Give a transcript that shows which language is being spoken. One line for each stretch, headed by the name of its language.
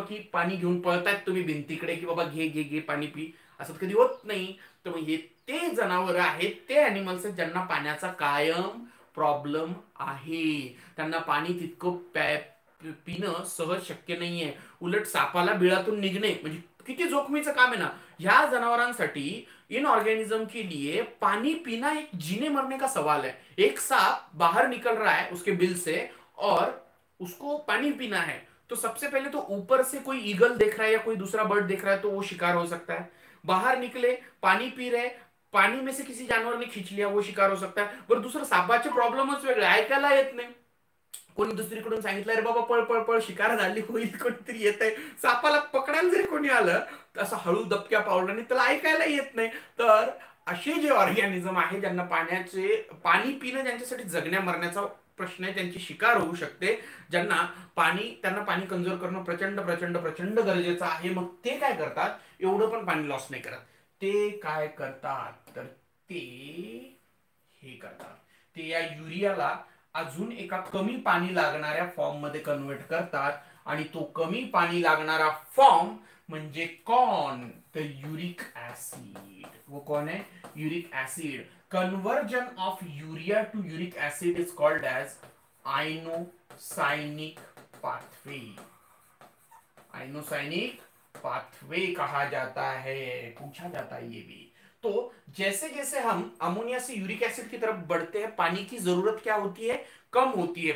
Marathi: की पाणी घेऊन पळतायत तुम्ही भिंतीकडे की बाबा घे घे घे पाणी पी, असं कधी होत नाही। तर मग हे ते जनावर आहेत, ते ॲनिमल्स आहेत ज्यांना पाण्याचा कायम प्रॉब्लम आहे, त्यांना पाणी तितकं पिणं सहज शक्य नाही आहे। उलट सापाला बिळातून निघणे म्हणजे किती जोखमीचं काम आहे ना। ह्या जनावरांसाठी,
Hindi: इन ऑर्गेनिझम के लिए,
Marathi: पाणी पिणं
Hindi: एक जीने मरने का सवाल है। एक साप बाहर निकल रहा है उसके बिल से और उसको पानी पीना है, तो सबसे पहले तो ऊपर से कोई ईगल देख रहा है या कोई दूसरा बर्ड देख रहा है तो वो शिकार हो सकता है। बाहर निकले, पानी पी रहे, पानी में से किसी जानवर ने खींच लिया, वो शिकार हो सकता है।
Marathi: पर दूसरा, सापाचे प्रॉब्लमच वेगळे, ऐकायला येत नाही, कोणी दुसरीकडून सांगितलं अरे बाबा पळ पळ पळ शिकार झाली, होईल कोणीतरी येत आहे, सापाला पकडायला जरी कोणी आलं तर असं हळू दबक्या पावलं आणि त्याला ऐकायला येत नाही। तर असे जे ऑर्गॅनिझम आहे ज्यांना पाण्याचे पाणी पिणं ज्यांच्यासाठी जगण्या मरण्याचा प्रश्न आहे, त्यांची शिकार होऊ शकते, ज्यांना पाणी, त्यांना पाणी कंजर्व करणं प्रचंड प्रचंड प्रचंड गरजेचं आहे, मग ते काय करतात? एवढं पण पाणी लॉस नाही करत, ते काय करतात? तर ते हे करतात, ते या युरियाला अजून एका कमी पाणी लागणाऱ्या फॉर्म मध्ये कन्वर्ट करतात, आणि तो कमी पाणी लागणारा फॉर्म म्हणजे कॉन, द युरिक ऍसिड।
Hindi: वो कौन है? Uric acid.
English: Conversion of urea to uric acid is called as inosinic pathway.
Hindi: आइनोसाइनिक pathway कहा जाता है, पूछा जाता है ये भी। तो जैसे जैसे हम अमोनिया से यूरिक एसिड की तरफ बढ़ते हैं, पानी की जरूरत क्या होती है? कम होती है।